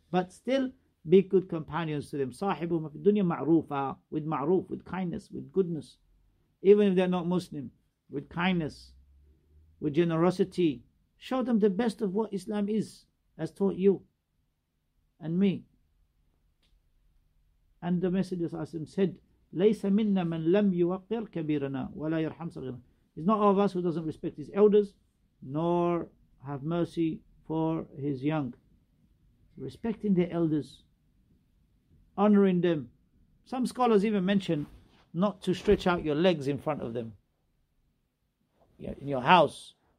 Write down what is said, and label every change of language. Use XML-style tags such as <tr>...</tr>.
<en>But still, be good companions to them.</en> <ar>صَاحِبُهُمَا فِي الدُّنْيَا مَعْرُوفًا.</ar> <en>With ma'ruf, with kindness, with goodness. Even if they're not Muslim, with kindness, with generosity. Show them the best of what Islam is, as taught you and me. And the Messenger said,</en> <ar>لَيْسَ مِنَّا مَنْ لَمْ يُوَقِّرْ كَبِيرَنَا وَلَا يَرْحَمْ صَغِيرَنَا.</ar> <en>It's not all of us who doesn't respect his elders, nor have mercy for his young. Respecting the elders, honoring them. Some scholars even mention not to stretch out your legs in front of them. In your house.</en>